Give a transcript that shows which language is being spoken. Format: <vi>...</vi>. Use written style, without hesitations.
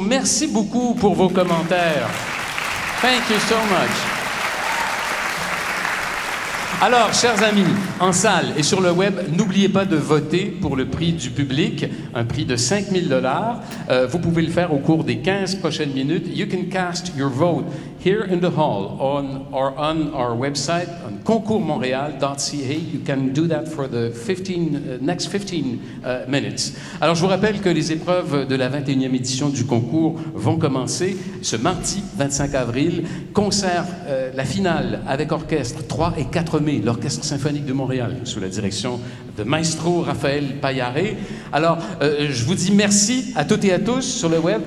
<fr>Merci beaucoup pour vos commentaires.</fr> <en>Thank you so much.</en> <fr>Alors, chers amis, en salle et sur le web, n'oubliez pas de voter pour le prix du public, un prix de 5 000 $. Vous pouvez le faire au cours des 15 prochaines minutes.</fr> <en>You can cast your vote here in the hall on our website, on concoursmontreal.ca. You can do that for the next 15 minutes.</en> <fr>Alors, je vous rappelle que les épreuves de la 21e édition du concours vont commencer ce mardi 25 avril. Concert, la finale avec orchestre, 3 et 4 l'Orchestre symphonique de Montréal, sous la direction de Maestro Raphaël Payaré. Alors, je vous dis merci à toutes et à tous sur le web.</fr>